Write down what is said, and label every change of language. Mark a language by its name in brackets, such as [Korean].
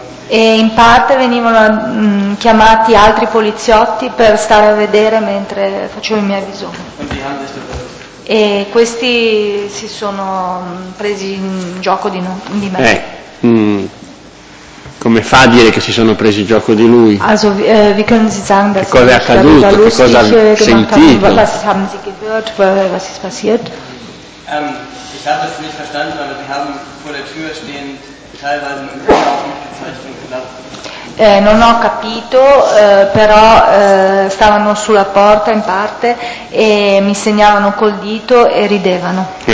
[Italian] E in parte venivano chiamati altri poliziotti per stare a vedere mentre facevo i miei bisogni. E questi si sono presi in gioco di me. Come fa a dire che si sono presi gioco di lui? [German] Also, wie können Sie sagen, dass [Italian] che cosa è accaduto? Che cosa ha sentito? [German] Was haben Sie gehört? Was ist passiert? Ich habe es nicht verstanden, aber Sie haben vor der Tür stehend teilweise mit dem Kopf aufgezeichnet und gelacht. [Italian] Non ho capito, però stavano sulla porta in parte e mi segnavano col dito e ridevano.